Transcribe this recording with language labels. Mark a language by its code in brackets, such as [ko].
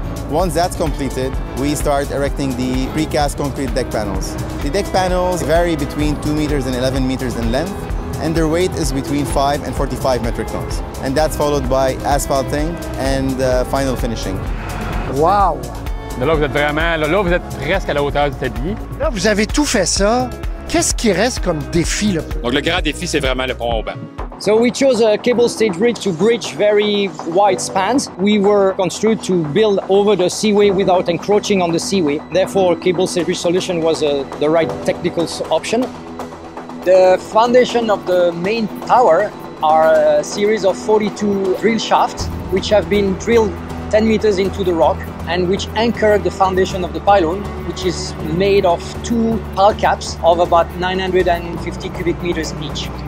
[en] Once that's completed, we start erecting the precast concrete deck panels. The deck panels vary between 2 meters and 11 meters in length, and their weight is between 5 and 45 metric tons. And that's followed by asphalting and final finishing. Wow! [fr] Là, vous êtes vraiment, là, vous êtes presque à la hauteur du tablier. Là, vous avez tout fait ça. Qu'est-ce qui reste comme défi, là? Donc, le grand défi, c'est vraiment le pont au bain. [en] So we chose a cable stage bridge to bridge very wide spans. We were construed to build over the seaway without encroaching on the seaway. Therefore, cable stage bridge solution was the right technical option. The foundation of the main tower are a series of 42 drill shafts, which have been drilled 10 meters into the rock and which anchor the foundation of the pylon, which is made of 2 pile caps of about 950 cubic meters each.